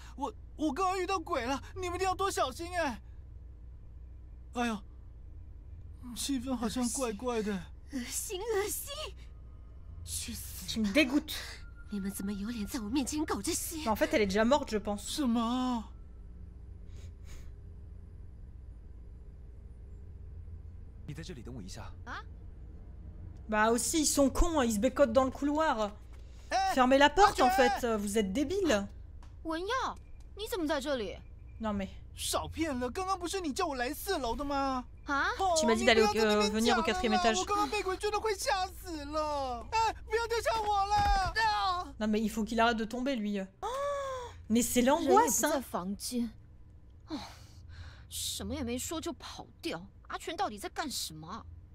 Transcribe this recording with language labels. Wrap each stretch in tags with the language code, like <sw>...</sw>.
<zh>我刚刚遇到鬼了，你们一定要多小心哎。哎呦，气氛好像怪怪的。恶心。去死。</zh> <fr>Tu me dégoûtes。</fr> <zh>你们怎么有脸在我面前搞这些</zh> <fr>？En fait, elle est déjà morte, je pense.</fr> <zh>什么？你在这里等我一下。啊？</zh> <fr>Bah aussi, ils sont cons, hein, ils se bécotent dans le couloir. Fermez la porte, en fait, vous êtes débiles.</fr> <zh>Wenya, 你怎么在这里？</zh> <fr>Non mais.</fr> <zh>少骗了，刚刚不是你叫我来四楼的吗？啊？</zh> <fr>Tu m'as dit d'aller venir au quatrième étage.</fr> <zh>我刚刚被鬼追得快吓死了。哎，不要丢下我了。</zh> <fr>Non mais il faut qu'il arrête de tomber lui. Mais c'est l'angoisse, hein.</fr> <zh>人也不在房间。什么也没说就跑掉，阿全到底在干什么？</zh>